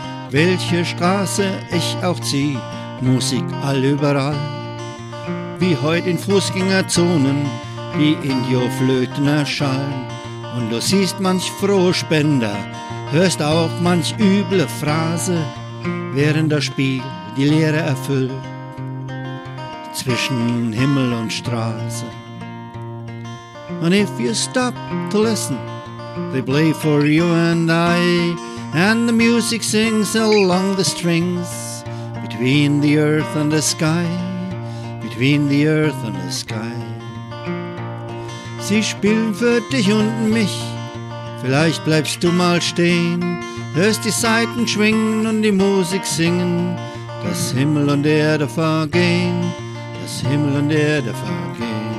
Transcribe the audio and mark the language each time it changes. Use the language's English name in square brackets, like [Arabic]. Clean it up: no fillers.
[German] Welche Straße ich auch zieh, Musik all überall, wie heut in Fußgängerzonen die Indio-Flöten erschallen. Und du siehst manch frohe Spender, hörst auch manch üble Phrase, während das Spiel die Leere erfüllt, zwischen Himmel und Straße. [English] And if you stop to listen, they play for you and I, and the music sings along the strings, between the earth and the sky, between the earth and the sky. [German] Sie spielen für dich und mich, vielleicht bleibst du mal stehen, hörst die Saiten schwingen und die Musik singen, dass Himmel und Erde vergehen, dass Himmel und Erde vergehen.